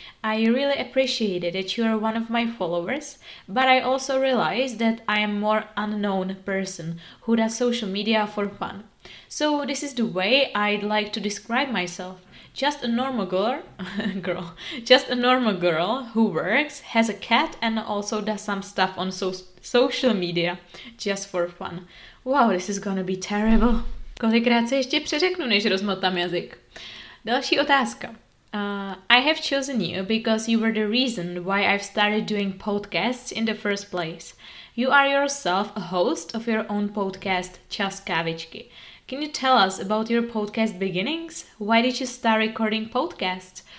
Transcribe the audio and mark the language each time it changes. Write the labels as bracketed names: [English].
[English] I really appreciate that you are one of my followers, but I also realize that I am more unknown person who does social media for fun. So this is the way I'd like to describe myself. Just a normal girl who works, has a cat and also does some stuff on social media just for fun. Wow, this is gonna be terrible. [Czech] Kolikrát se ještě přeřeknu, než rozmotám jazyk. Další otázka. [English] I have chosen you because you were the reason why I've started doing podcasts in the first place. You are yourself a host of your own podcast, Čas kávičky. Can you tell us about your podcast beginnings? Why did you start recording podcasts?